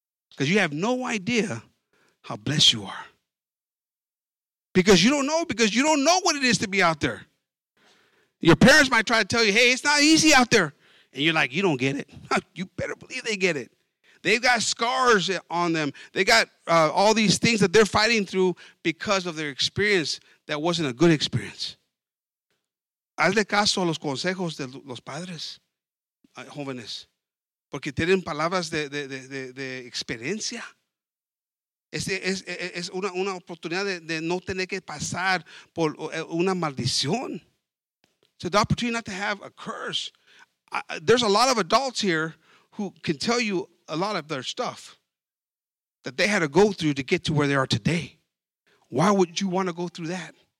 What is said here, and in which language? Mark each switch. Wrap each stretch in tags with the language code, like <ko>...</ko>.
<en>Because you have no idea how blessed you are. Because you don't know what it is to be out there. Your parents might try to tell you, hey, it's not easy out there. And you're like, you don't get it. You better believe they get it. They've got scars on them. They got all these things that they're fighting through because of their experience that wasn't a good experience.</en> <es>Hazle caso a los consejos de los padres, jóvenes. Porque tienen palabras de experiencia. Es una oportunidad de no tener que pasar por una maldición.</es> <en>It's an opportunity not to have a curse. There's a lot of adults here who can tell you a lot of their stuff that they had to go through to get to where they are today. Why would you want to go through that?</en>